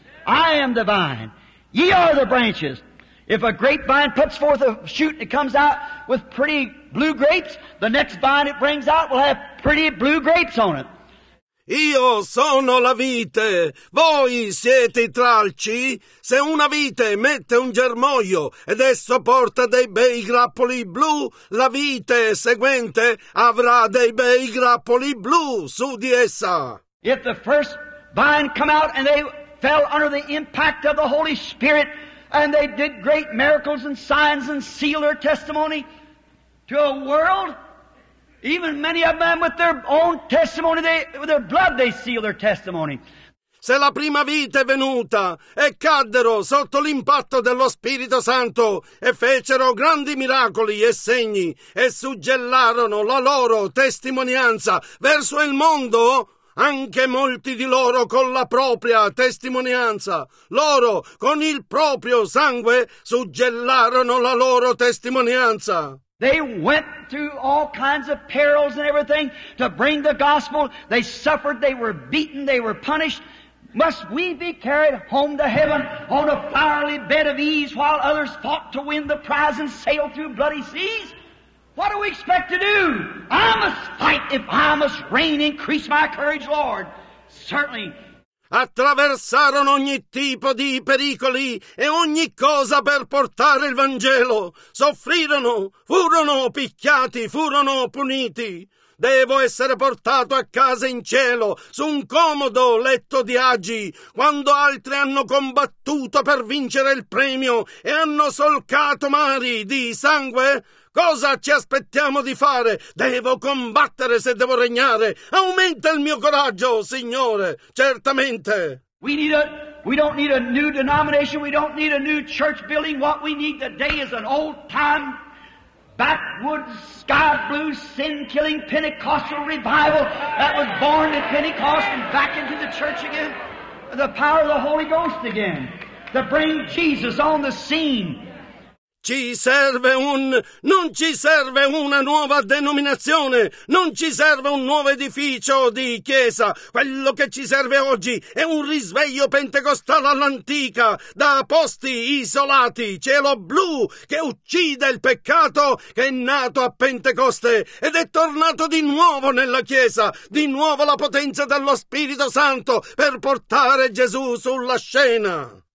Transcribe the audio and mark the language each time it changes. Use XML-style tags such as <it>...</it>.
<en>I am the vine. Ye are the branches. If a grapevine puts forth a shoot and it comes out with pretty blue grapes, the next vine it brings out will have pretty blue grapes on it.</en> <it>Io sono la vite, voi siete i tralci. Se una vite mette un germoglio ed esso porta dei bei grappoli blu, la vite seguente avrà dei bei grappoli blu su di essa.</it> <en>If the first vine come out and they fell under the impact of the Holy Spirit and they did great miracles and signs and sealed their testimony to a world, Even many of them with their own testimony, with their blood they seal their testimony.</en> <it>Se la prima vita è venuta e caddero sotto l'impatto dello Spirito Santo e fecero grandi miracoli e segni e suggellarono la loro testimonianza verso il mondo, anche molti di loro con la propria testimonianza, loro con il proprio sangue suggellarono la loro testimonianza.</it> <en>They went through all kinds of perils and everything to bring the gospel. They suffered, they were beaten, they were punished. Must we be carried home to heaven on a fiery bed of ease while others fought to win the prize and sail through bloody seas? What do we expect to do? I must fight if I must reign, increase my courage, Lord. Certainly.</en> <it>Attraversarono ogni tipo di pericoli e ogni cosa per portare il Vangelo. Soffrirono, furono picchiati, furono puniti. Devo essere portato a casa in cielo, su un comodo letto di agi, quando altri hanno combattuto per vincere il premio e hanno solcato mari di sangue. Cosa ci aspettiamo di fare? Devo combattere se devo regnare. Aumenta il mio coraggio, Signore, certamente.</it> <en>We don't need a new denomination, we don't need a new church building. What we need today is an old time backwoods, sky blue, sin-killing Pentecostal revival that was born at Pentecost and back into the church again. The power of the Holy Ghost again to bring Jesus on the scene.</en> <it>Non ci serve una nuova denominazione, non ci serve un nuovo edificio di chiesa. Quello che ci serve oggi è un risveglio pentecostale all'antica, da posti isolati, cielo blu che uccide il peccato che è nato a Pentecoste ed è tornato di nuovo nella chiesa, di nuovo la potenza dello Spirito Santo per portare Gesù sulla scena.</it>